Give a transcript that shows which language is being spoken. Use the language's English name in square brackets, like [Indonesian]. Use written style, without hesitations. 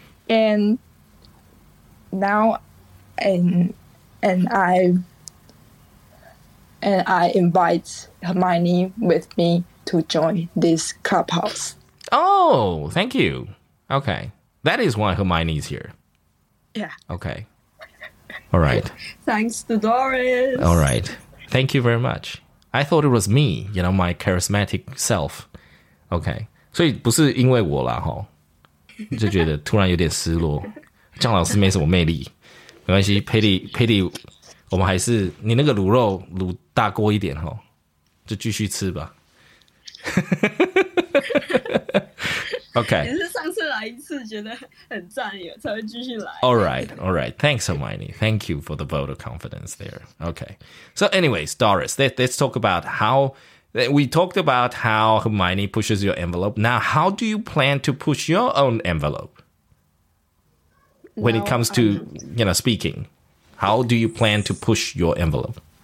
[English] And now And I invite Hermione with me to join this clubhouse. Oh, thank you. Okay. That is why Hermione is here. Yeah. Okay. All right. Thanks to Doris. All right. Thank you very much. I thought it was me, you know, my charismatic self. Okay. [Chinese] 所以不是因为我啦齁。就觉得突然有点失落。张老师没什么魅力。没关系, Petty, 我们还是, 你那个卤肉, 卤大锅一点, 齁, 就继续吃吧。 [English] Okay. [Chinese] 也是上次来一次觉得很赞耶, [English] All right. Thanks, Hermione. Thank you for the vote of confidence there. Okay. So anyways, Doris, let's talk about how, we talked about how Hermione pushes your envelope. Now, how do you plan to push your own envelope? When it comes to, you know, speaking, how do you plan to push your envelope?